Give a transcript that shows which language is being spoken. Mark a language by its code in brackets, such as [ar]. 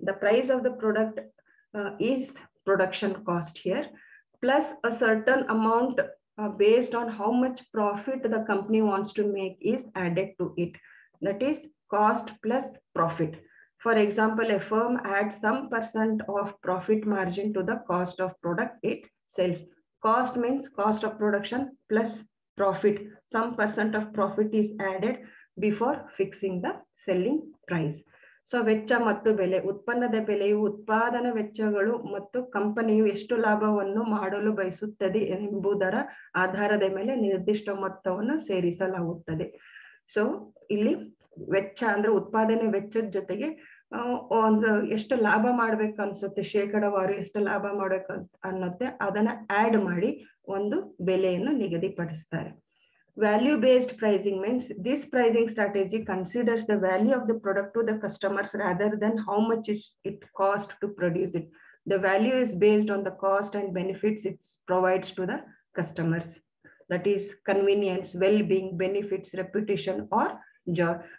[en] The price of the product is production cost here plus a certain amount based on how much profit the company wants to make is added to it. That is cost plus profit. For example, a firm add some percent of profit margin to the cost of product it sells. Cost means cost of production plus profit. Some percent of profit is added before fixing the selling price. [kn] So, vechcha mattu bele. Utpannada beleyu utpadana vechchagalu mattu companyu eshtu labhavannu madalu bayasuttade embudara aadharada mele nirdishta mattavannu serisalaguttade. So, illi vechcha andre utpadane vechchad jotege ಒಂದು ಎಷ್ಟು ಲಾಭ ಮಾಡ್ಬೇಕು ಅನ್ಸುತ್ತೆ, ಶೇಕಡವಾರು ಎಷ್ಟು ಲಾಭ ಮಾಡ್ಬೇಕು ಅನ್ನತ್ತೆ, ಅದನ್ನ ಆಡ್ ಮಾಡಿ ಒಂದು ಬೆಲೆಯನ್ನು ನಿಗದಿಪಡಿಸ್ತಾರೆ. [en] Value-based pricing means this pricing strategy considers the value of the product to the customers rather than how much is it cost to produce it. The value is based on the cost and benefits it provides to the customers. That is convenience, well-being, benefits, reputation, or job.